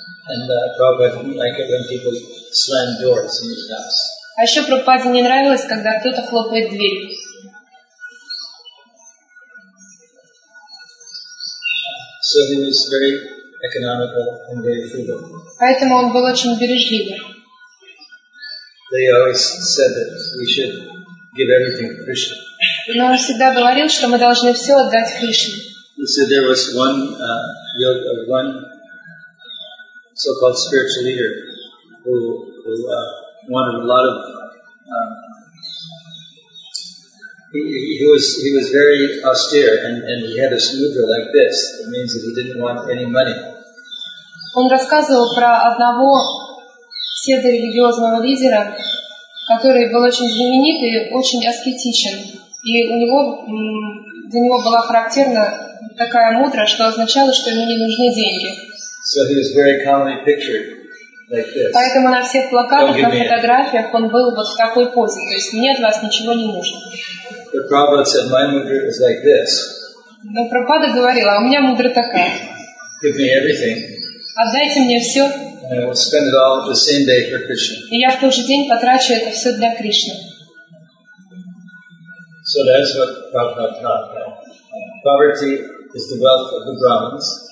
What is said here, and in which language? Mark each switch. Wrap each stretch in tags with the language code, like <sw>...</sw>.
<en>And Prabhupada didn't like it when people slam doors in his house.</en> <ru>А еще Прабхупаде не нравилось, когда кто-то хлопает дверь.</ru> <en>So he was very economical and very frugal.</en> <ru>Поэтому он был очень бережливым.</ru> <en>They always said that we should give everything to Krishna.</en> <ru>Но он всегда говорил, что мы должны все отдать Кришне.</ru> <en>He said there was one so-called spiritual leader who wanted a lot of. He was very austere and he had a mudra like this. It means that he didn't want any money.</en> <ru>Он рассказывал про одного псевдорелигиозного лидера, который был очень знаменитый, очень аскетичен, и у него для него была характерна такая мудра, что означало, что ему не нужны деньги.</ru> <en>So he was very commonly pictured</en> <ru>Поэтому на всех плакатах, на фотографиях он был вот в такой позе. То есть мне от вас ничего не нужно.</ru> <en>But Prabhupada said, my mudra is like this.</en> <ru>Но Прабхупада говорил, а у меня мудра такая.</ru> <en>Give me everything.</en> <ru>Отдайте мне все.</ru> <en>And I will spend it all the same day for Krishna.</en> <ru>И я в тот же день потрачу это все для Кришны.</ru> <en>So that's what Prabhupada taught. Poverty is the wealth of the Brahmins.</en>